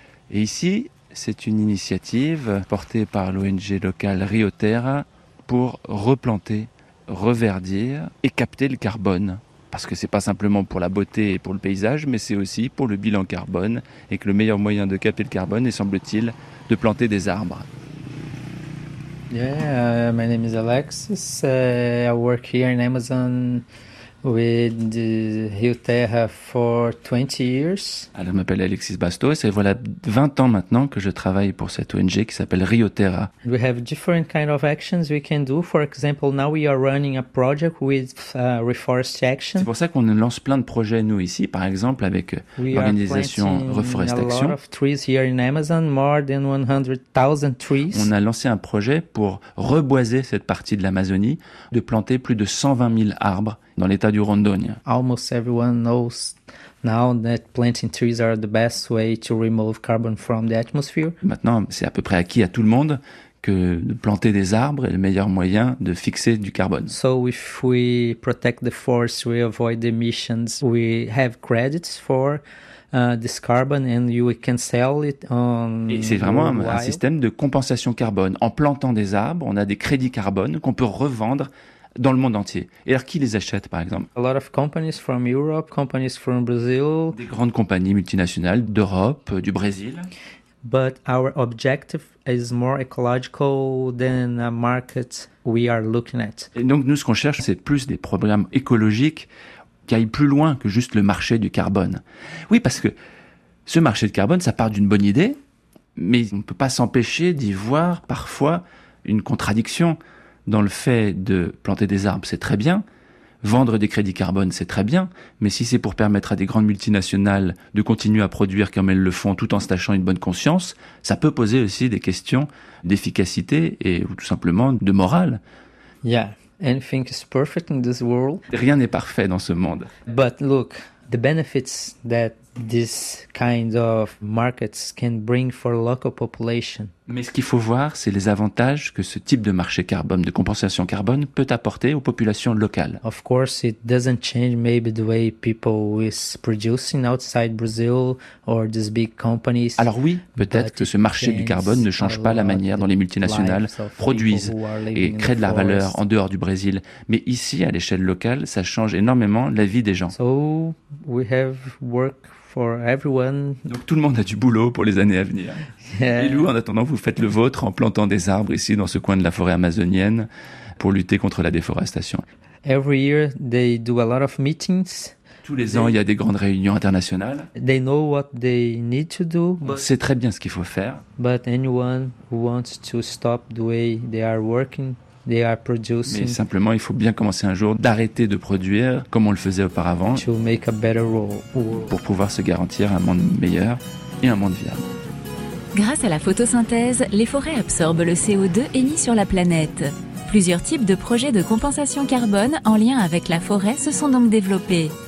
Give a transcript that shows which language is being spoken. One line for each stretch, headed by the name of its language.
French: Et ici, c'est une initiative portée par l'ONG locale Rio Terra pour replanter, reverdir et capter le carbone. Parce que c'est pas simplement pour la beauté et pour le paysage, mais c'est aussi pour le bilan carbone et que le meilleur moyen de capter le carbone est, semble-t-il, de planter des arbres.
English: Yeah, my name is Alexis. I work here in Amazon with the Rio Terra for 20 years.
French: Alors, je m'appelle Alexis Bastos et voilà 20 ans maintenant que je travaille pour cette ONG qui s'appelle Rio Terra.
English: We have different kind of actions we can do. For example, now we are running a project with Reforest Action.
French: C'est pour ça qu'on lance plein de projets nous ici, par exemple avec l'organisation Reforest Action.
English: We are planting a lot of trees here in Amazon, more than 100,000 trees.
French: On a lancé un projet pour reboiser cette partie de l'Amazonie, de planter plus de 120 000 arbres dans l'état du Rondônia.
English: Almost everyone knows now that planting trees are the best way to remove carbon from the atmosphere.
French: Maintenant, c'est à peu près acquis à tout le monde que de planter des arbres est le meilleur moyen de fixer du carbone.
English: So if we protect the forest, we avoid the emissions. We have credits for this carbon and we can sell it on.
French: Et c'est vraiment un système de compensation carbone. En plantant des arbres, on a des crédits carbone qu'on peut revendre dans le monde entier. Et alors, qui les achète, par exemple?
English: A lot of companies from Europe, companies from Brazil.
French: Des grandes compagnies multinationales d'Europe, du Brésil.
English: But our objective is more ecological than a market we are looking at.
French: Et donc, nous, ce qu'on cherche, c'est plus des programmes écologiques qui aillent plus loin que juste le marché du carbone. Oui, parce que ce marché de carbone, ça part d'une bonne idée, mais on ne peut pas s'empêcher d'y voir parfois une contradiction. Dans le fait de planter des arbres, c'est très bien. Vendre des crédits carbone, c'est très bien. Mais si c'est pour permettre à des grandes multinationales de continuer à produire comme elles le font tout en se tâchant une bonne conscience, ça peut poser aussi des questions d'efficacité et ou tout simplement de morale.
English: Yeah, anything is perfect in this world.
French: Rien n'est parfait dans ce monde.
English: But look, the benefits that this kind of markets can bring for local population.
French: Mais ce qu'il faut voir, c'est les avantages que ce type de marché carbone, de compensation carbone, peut apporter aux populations locales.
English: Of course, it doesn't change maybe the way people is producing outside Brazil or these big companies.
French: Alors oui, peut-être que ce marché du carbone ne change pas la manière dont les multinationales produisent et créent de la valeur en dehors du Brésil. Mais ici, à l'échelle locale, ça change énormément la vie des gens.
English: So, we have work. For everyone.
French: Donc tout le monde a du boulot pour les années à venir.
English: Yeah.
French: Et vous, en attendant, vous faites le vôtre en plantant des arbres ici dans ce coin de la forêt amazonienne pour lutter contre la déforestation.
English: Every year they do a lot of meetings.
French: Tous les ans, il y a des grandes réunions internationales.
English: They know what they need to do.
French: C'est très bien ce qu'il faut faire.
English: But anyone who wants to stop the way they are working. They are producing.
French: Mais simplement, il faut bien commencer un jour d'arrêter de produire comme on le faisait auparavant
English: to make a better world.
French: Pour pouvoir se garantir un monde meilleur et un monde viable. Grâce à la photosynthèse, les forêts absorbent le CO2 émis sur la planète. Plusieurs types de projets de compensation carbone en lien avec la forêt se sont donc développés.